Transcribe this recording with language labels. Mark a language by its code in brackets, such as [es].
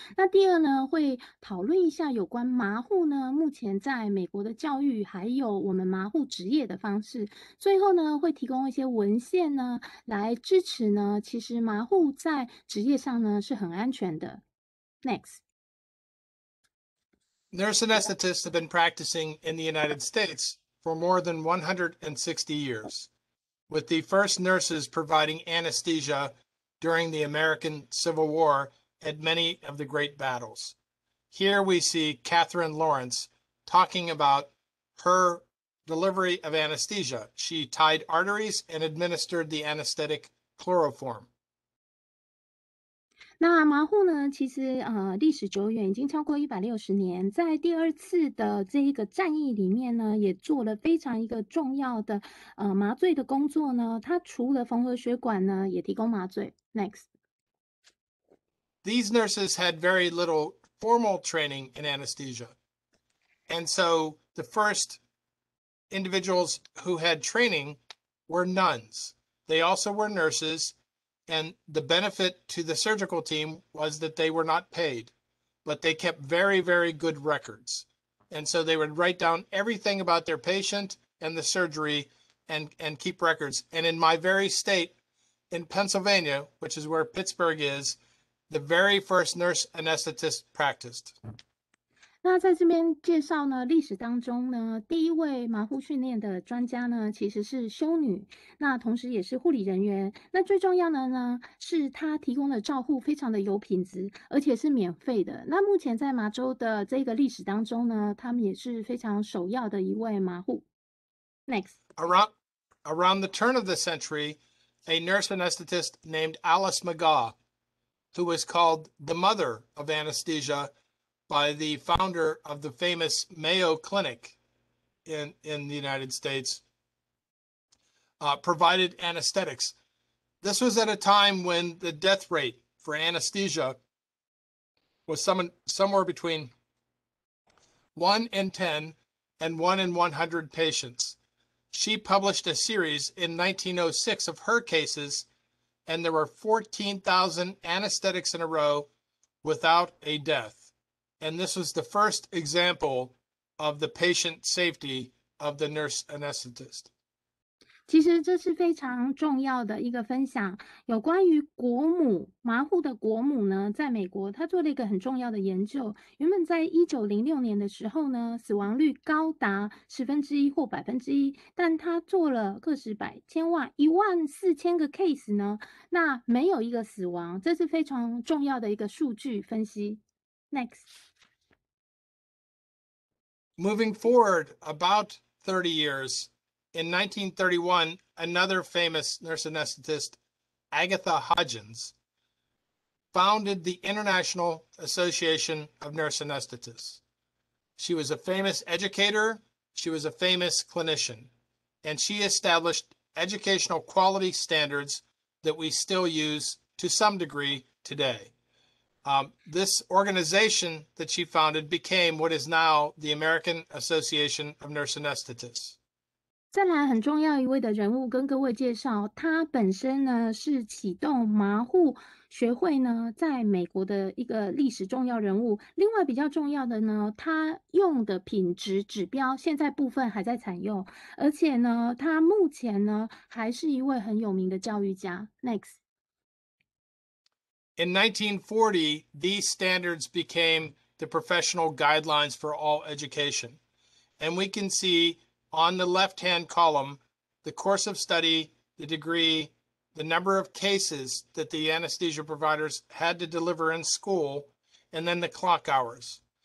[zh] 那第二呢，会讨论一下有关麻醐呢目前在美国的教育，还有我们麻醐职业的方式。最后呢，会提供一些文献呢来支持呢，其实麻醐在职业上呢是很安全的。 [en] Next。 Nurse anesthetists have been practicing in the United States for more than 160 years, with the first nurses providing anesthesia during the American Civil War at many of the great battles. Here we see Catherine Lawrence talking about her delivery of anesthesia. She tied arteries and administered the anesthetic chloroform. [zh] 那麻醐呢，其实历史久远，已经超过160年，在第二次的这一个战役里面呢，也做了非常一个重要的麻醉的工作呢。它除了缝合血管呢，也提供麻醉。 [en] Next. These nurses had very little formal training in anesthesia. And so the first individuals who had training were nuns. They also were nurses. And the benefit to the surgical team was that they were not paid, but they kept very, very good records. And so they would write down everything about their patient and the surgery and keep records. And in my very state, in Pennsylvania, which is where Pittsburgh is, the very first nurse anesthetist practiced. [zh] 那在这边介绍呢，历史当中呢，第一位麻醐训练的专家呢，其实是修女，那同时也是护理人员。那最重要的呢，是他提供的照护非常的有品质，而且是免费的。那目前在麻州的这个历史当中呢，他们也是非常首要的一位麻醐。 [en] Next. Around the turn of the century, a nurse anesthetist named Alice McGaw, who was called the mother of anesthesia,by the founder of the famous Mayo Clinic in the United States, provided anesthetics. This was at a time when the death rate for anesthesia was somewhere between 1 in 10 and 1 in 100 patients. She published a series in 1906 of her cases, and there were 14,000 anesthetics in a row without a death. And this was the first example of the patient safety of the nurse anesthetist. [zh] 其实这是非常重要的一个分享，有关于国母麻醐的国母呢，在美国他做了一个很重要的研究。原本在1906年的时候呢，死亡率高达1/10或1%，但他做了个十百千万14000个 case 呢，那没有一个死亡，这是非常重要的一个数据分析。 [en] Next. Moving forward about 30 years, in 1931, another famous nurse anesthetist, Agatha Hudgens, founded the International Association of Nurse Anesthetists. She was a famous educator, she was a famous clinician, and she established educational quality standards that we still use to some degree today. This organization that she founded became what is now the American Association of Nurse Anesthetists. [zh] 再来很重要一位的人物跟各位介绍，他本身呢是启动麻醐学会呢在美国的一个历史重要人物。另外比较重要的呢，他用的品质指标现在部分还在采用，而且呢他目前呢还是一位很有名的教育家。 [en] Next。 In 1940, these standards became the professional guidelines for all education, and we can seeOn the left-hand column, the course of study, the degree, the number of cases that the anesthesia providers had to deliver in school, and then the clock hours.